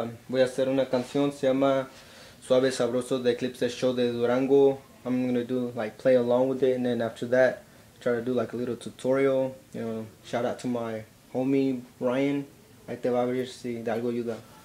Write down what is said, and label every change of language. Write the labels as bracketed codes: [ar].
[es] Voy a hacer una canción, se llama Suave y Sabroso de Eclipse Show de Durango. [en] I'm gonna do like play along with it, and then after that, try to do like a little tutorial. You know, shout out to my homie Ryan. [es] Ahí te va a ver si de algo ayuda.